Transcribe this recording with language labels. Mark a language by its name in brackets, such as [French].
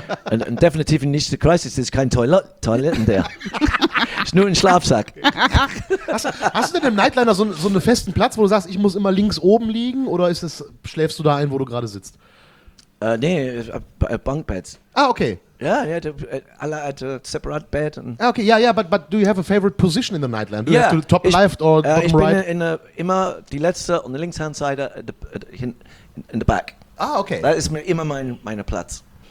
[German] Und definitiv nicht der Crisis, es ist kein Toiletten da. Ist nur ein Schlafsack. Hast du denn im Nightliner so einen festen Platz, wo du sagst, ich muss immer links oben liegen, oder ist es, schläfst du da ein, wo du gerade sitzt? Nee, Bunkbeds. Ah, okay. Ja, yeah, yeah, alle hat ein separate Bett. [English] Ah, okay, ja, yeah, ja, yeah, but do you have a favorite position in the Nightliner? Do yeah. You have to top [German] ich, [English] left or bottom [German] ich [English] right? [German] Ich bin immer die letzte und die linkshand Seite [English] in the back. Ah, okay. [German] Das ist mir immer mein Platz.